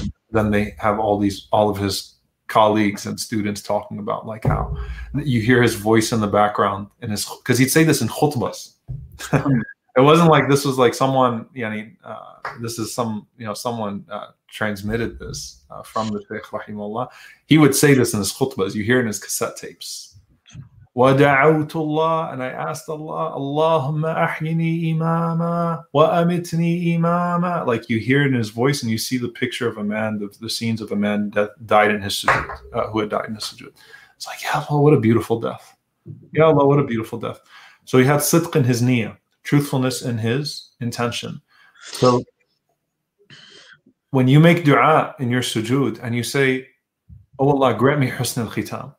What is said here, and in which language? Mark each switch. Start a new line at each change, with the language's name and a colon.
English: then they have all these, all of his colleagues and students talking about like how you hear his voice in the background, and his, because he'd say this in khutbas. It wasn't like this was like someone, you know, this is some, you know, someone transmitted this from the Shaykh Rahimullah. He would say this in his khutbas. You hear it in his cassette tapes.
Arabic: وَدَعَوْتُ اللَّهِ,
English: and I asked Allah,
Arabic: اللَّهُمَّ أَحْيِنِي إِمَامًا وَأَمِتْنِي إِمَامًا.
English: Like you hear it in his voice and you see the picture of a man, the scenes of a man that died in his sujood, who had died in his sujood. It's like, Ya Allah, what a beautiful death. Ya Allah, what a beautiful death. So he had sidq in his niyyah, truthfulness in his intention. So when you make dua in your sujood and you say, Oh Allah, grant me husn al-khitam.